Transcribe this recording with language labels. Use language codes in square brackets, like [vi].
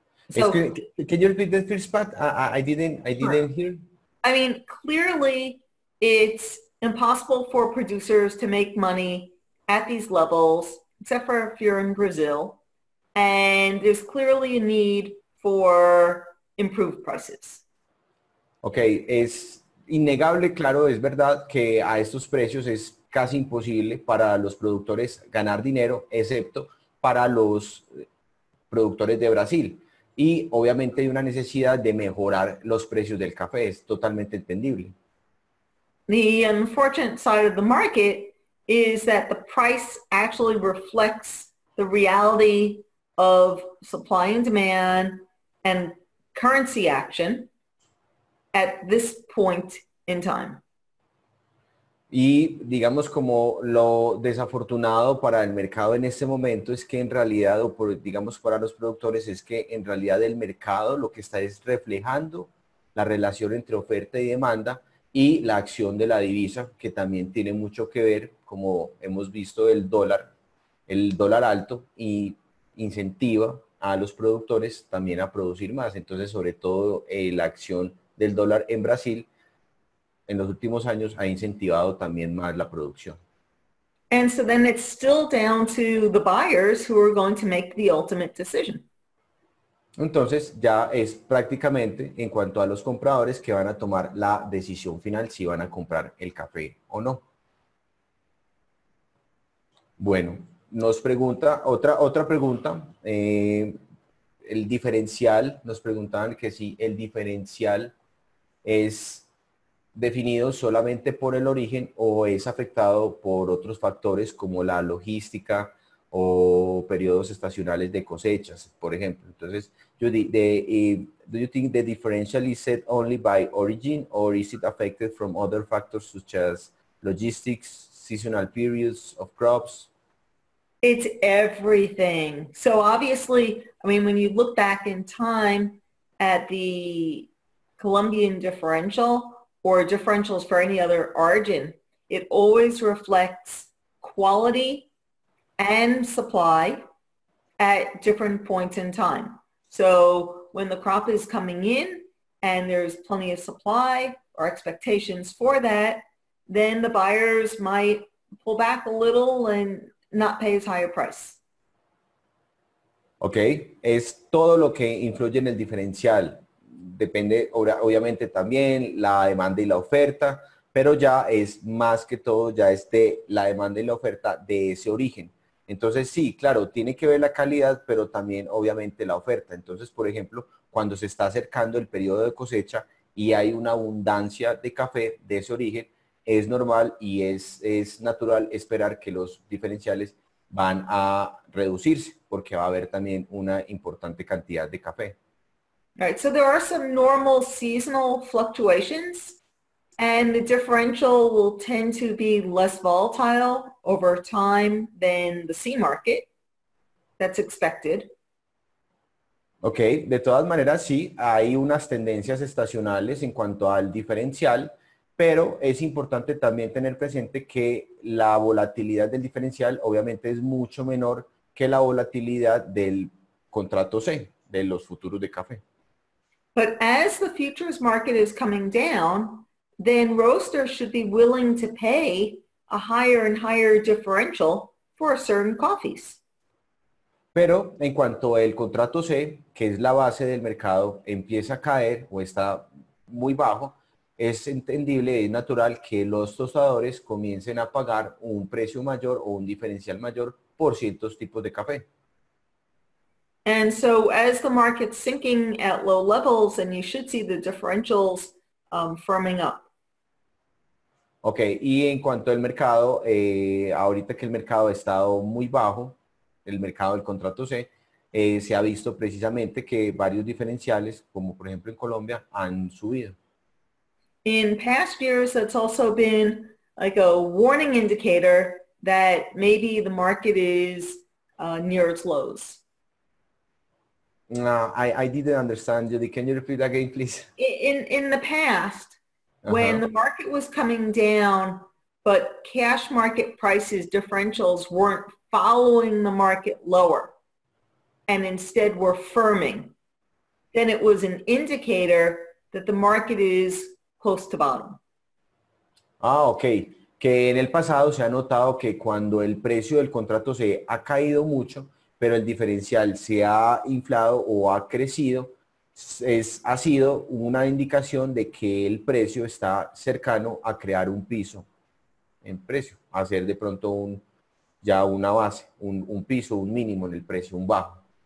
[en] So, can you repeat the first part? I didn't hear. I mean, clearly it's impossible for producers to make money at these levels, except for if you're in Brazil. And there's clearly a need for improved prices. [es] Okay, es innegable, claro, es verdad que a estos precios es casi imposible para los productores ganar dinero, excepto para los productores de Brasil. Y obviamente hay una necesidad de mejorar los precios del café, es totalmente entendible. [en] The unfortunate side of the market is that the price actually reflects the reality of supply and demand and currency action at this point in time. [es] Y digamos como lo desafortunado para el mercado en este momento es que en realidad, digamos para los productores, es que en realidad el mercado lo que está es reflejando la relación entre oferta y demanda y la acción de la divisa, que también tiene mucho que ver, como hemos visto, el dólar alto y incentiva a los productores también a producir más. Entonces, sobre todo la acción del dólar en Brasil en los últimos años ha incentivado también más la producción. [en] And so then it's still down to the buyers who are going to make the ultimate decision. [es] Entonces, ya es prácticamente en cuanto a los compradores que van a tomar la decisión final si van a comprar el café o no. Bueno, nos pregunta otra pregunta. El diferencial, nos preguntaban que si el diferencial es definido solamente por el origen o es afectado por otros factores como la logística o periodos estacionales de cosechas, por ejemplo. [en] Entonces, Judy, do you think the differential is set only by origin or is it affected from other factors such as logistics, seasonal periods of crops? It's everything. So obviously, I mean, when you look back in time at the Colombian differential or differentials for any other origin, it always reflects quality and supply at different points in time. So when the crop is coming in and there's plenty of supply or expectations for that, then the buyers might pull back a little and not pay as high a price. [es] Okay, es todo lo que influye en el diferencial. Depende, obviamente, también la demanda y la oferta, pero ya es más que todo, ya es de la demanda y la oferta de ese origen. Entonces, sí, claro, tiene que ver la calidad, pero también, obviamente, la oferta. Entonces, por ejemplo, cuando se está acercando el periodo de cosecha y hay una abundancia de café de ese origen, es normal y es natural esperar que los diferenciales van a reducirse, porque va a haber también una importante cantidad de café. [en] Right, so there are some normal seasonal fluctuations, and the differential will tend to be less volatile over time than the C market. That's expected. [es] Ok, de todas maneras sí, hay unas tendencias estacionales en cuanto al diferencial, pero es importante también tener presente que la volatilidad del diferencial obviamente es mucho menor que la volatilidad del contrato C, de los futuros de café. [en] But as the futures market is coming down, then roasters should be willing to pay a higher and higher differential for certain coffees. [es] Pero en cuanto el contrato C, que es la base del mercado, empieza a caer o está muy bajo, es entendible y es natural que los tostadores comiencen a pagar un precio mayor o un diferencial mayor por ciertos tipos de café. [en] And so as the market's sinking at low levels, then you should see the differentials firming up. [es] Ok, y en cuanto al mercado, ahorita que el mercado ha estado muy bajo, el mercado del contrato C, se ha visto precisamente que varios diferenciales, como por ejemplo en Colombia, han subido. [en] In past years, that's also been like a warning indicator that maybe the market is near its lows. No, I didn't understand, Judy. Can you repeat again, please? In the past, when the market was coming down, but cash market prices differentials weren't following the market lower, and instead were firming, then it was an indicator that the market is close to bottom. Ah, okay. [es] Que en el pasado se ha notado que cuando el precio del contrato se ha caído mucho, pero el diferencial se ha inflado o ha crecido, ha sido una indicación de que el precio está cercano a crear un piso en precio, a ser de pronto una base, un piso, un mínimo en el precio, un bajo.